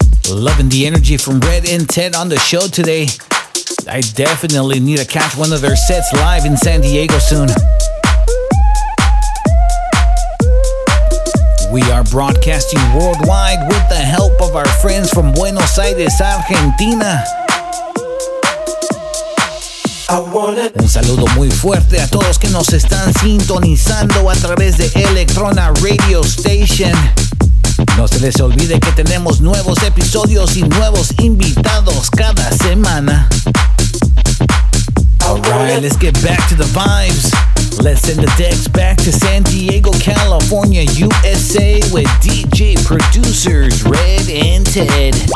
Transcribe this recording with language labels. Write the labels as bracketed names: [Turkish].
[English] Loving the energy from Red and Ted on the show today. I definitely need to catch one of their sets live in San Diego soon. We are broadcasting worldwide with the help of our friends from Buenos Aires, Argentina. [Spanish] Un saludo muy fuerte a todos que nos están sintonizando a través de Electrona Radio Station. No se les olvide que tenemos nuevos episodios y nuevos invitados cada semana. [English] Alright, let's get back to the vibes. Let's send the decks back to San Diego, California, USA with DJ producers Red and Ted.